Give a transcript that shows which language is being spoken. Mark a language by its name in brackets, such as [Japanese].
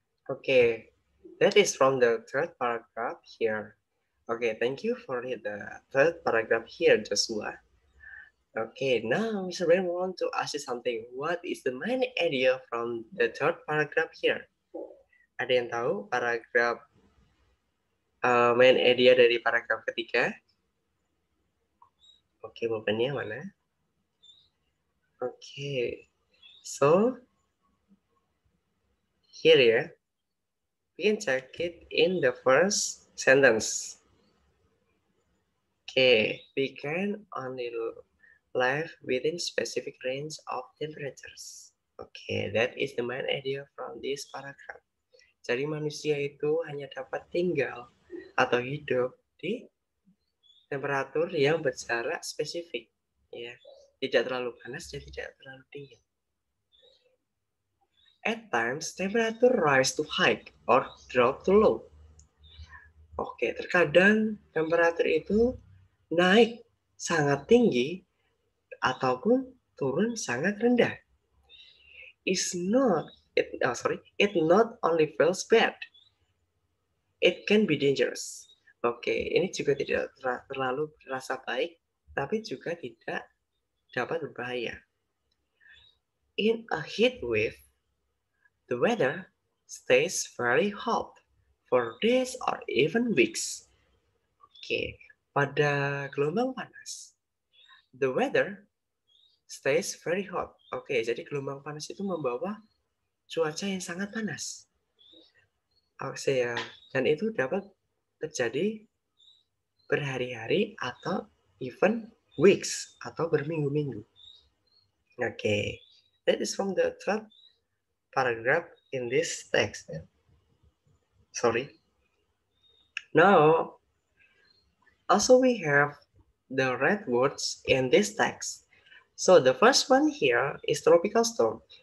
[English] Okay. That is from the third paragraph here. Okay, thank you for read the third paragraph here, Joshua. Okay, now Mr. Brian want to ask you something. What is the main idea from the third paragraph here? [Indonesian] Ada yang tahu [English] paragraph main idea [Indonesian] dari paragraph ketiga? [English] Okay, [Indonesian] bapaknya mana? [English] Okay, so here ya, we can check it in the first sentence. Okay, we can only live within specific range of temperatures. Okay, that is the main idea from this paragraph. [Indonesian] Jadi manusia itu hanya dapat tinggal atau hidup di temperatur yang berjarak spesifik, ya, tidak terlalu panas dan tidak terlalu dingin. [English] At times, temperature rise to high or drop to low. [Indonesian] Oke, terkadang temperatur itu naik sangat tinggi ataupun turun sangat rendah. [English] It not only feels bad, it can be dangerous. [Indonesian] Oke, ini juga tidak terlalu terasa baik, tapi juga tidak dapat berbahaya. [English] In a heat wave, the weather stays very hot for days or even weeks. Oke, [Indonesian] pada gelombang panas, [English] the weather stays very hot. [Indonesian] Oke, jadi gelombang panas itu membawa cuaca yang sangat panas. Oke, ya. Dan itu dapat terjadi berhari-hari atau [English] even weeks [Indonesian] atau berminggu-minggu. [English] Oke, that is from the third paragraph in this text. Sorry. Now, also we have the red words in this text. So the first one here is tropical storm.